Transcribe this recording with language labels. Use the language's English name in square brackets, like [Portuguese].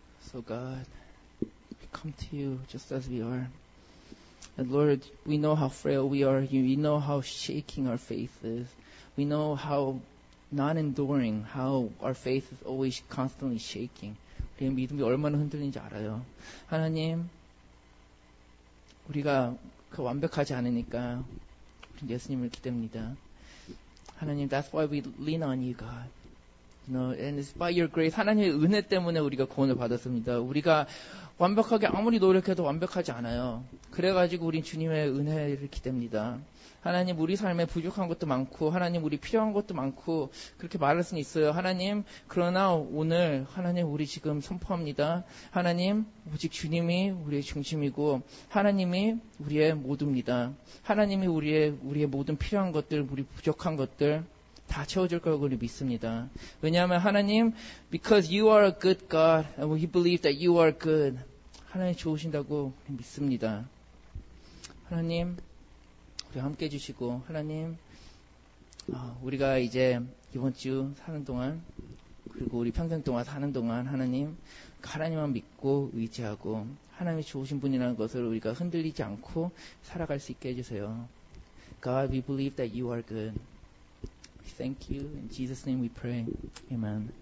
[English] So God, we come to you just as we are. And Lord, we know how frail we are. We know how shaking our faith is. We know how non-enduring, how our faith is always constantly shaking. [Korean] 우리의 믿음이 얼마나 흔들리는지 알아요. 하나님, 우리가 그 완벽하지 않으니까 우리 예수님을 기대합니다. [English] 하나님, that's why we lean on you, God. You know, and it's by your grace, [Korean] 하나님의 은혜 때문에 우리가 구원을 받았습니다. 우리가 완벽하게 아무리 노력해도 완벽하지 않아요. 그래가지고 우린 주님의 은혜를 기댑니다. 하나님, 우리 삶에 부족한 것도 많고, 하나님, 우리 필요한 것도 많고, 그렇게 말할 수는 있어요. 하나님, 그러나 오늘, 하나님, 우리 지금 선포합니다. 하나님, 오직 주님이 우리의 중심이고, 하나님이 우리의 모두입니다. 하나님이 우리의 모든 필요한 것들, 우리 부족한 것들, 다 채워줄 거라고 우리 믿습니다. 왜냐하면 [English] 하나님, because you are a good God, and we believe that you are good. [Korean] 하나님 좋으신다고 믿습니다. 하나님, 우리 함께 해주시고, 하나님, 우리가 이제 이번 주 사는 동안, 그리고 우리 평생 동안 사는 동안, 하나님, 하나님만 믿고 의지하고, 하나님이 좋으신 분이라는 것을 우리가 흔들리지 않고 살아갈 수 있게 해주세요. [English] God, we believe that you are good. Thank you. In Jesus' name we pray. Amen.